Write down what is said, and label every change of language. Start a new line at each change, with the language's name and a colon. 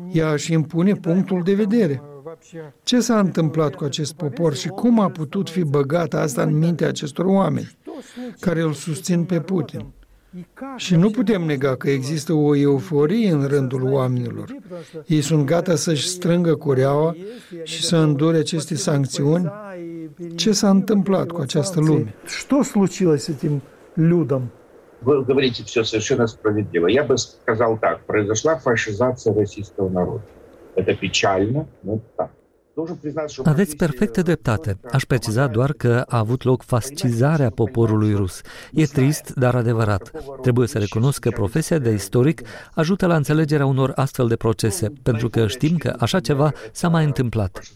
Romanian: Ea își impune punctul de vedere. Ce s-a întâmplat cu acest popor și cum a putut fi băgată asta în mintea acestor oameni care îl susțin pe Putin? Și nu putem nega că există o euforie în rândul oamenilor. Ei sunt gata să-și strângă cureaua și să îndure aceste sancțiuni. Ce s-a întâmplat cu această lume?
Russian: Что случилось с этим людям? Вы говорите всё совершенно справедливо. Я бы сказал так: произошла фашизация российского народа. Это печально, но так.
Romanian: Aveți perfectă dreptate. Aș preciza doar că a avut loc fascizarea poporului rus. E trist, dar adevărat. Trebuie să recunosc că profesia de istoric ajută la înțelegerea unor astfel de procese, pentru că știm că așa ceva s-a mai întâmplat.